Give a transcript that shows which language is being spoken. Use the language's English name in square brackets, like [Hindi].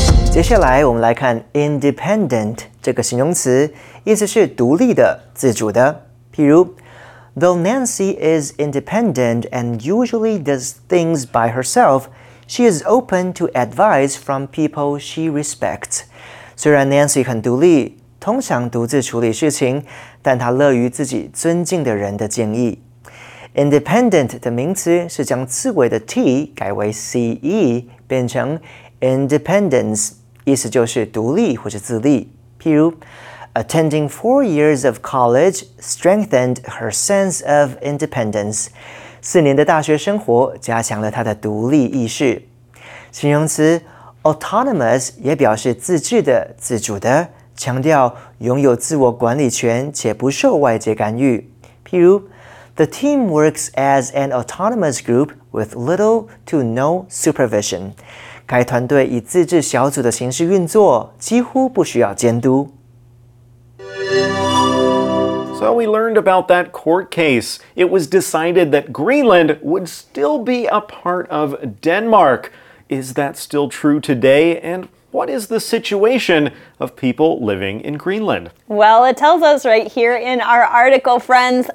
[Chinese] 接下来我们来看 independent 这个形容词，意思是独立的、自主的。譬如 [English] Though Nancy is independent and usually does things by herself, she is open to advice from people she respects. [Chinese] 虽然 Nancy 很独立，通常独自处理事情，但她乐于自己尊敬的人的建议。 Independent 的名词是将刺猬的 T 改为 CE， 变成 independence， 意思就是独立或是自立。譬如 [English] ，Attending 4 years of college strengthened her sense of independence。 [Chinese] 四年的大学生活加强了她的独立意识。形容词 autonomous 也表示自制的、自主的，强调拥有自我管理权且不受外界干预。譬如。 [English] The team works as an autonomous group with little to no supervision. [Chinese] 该团队以自治小组的形式运作，几乎不需要监督。 [English] So we learned about that court case. It was decided that Greenland would still be a part of Denmark. Is that still true today? And what is the situation of people living in Greenland? Well, it tells us right here in our article, friends.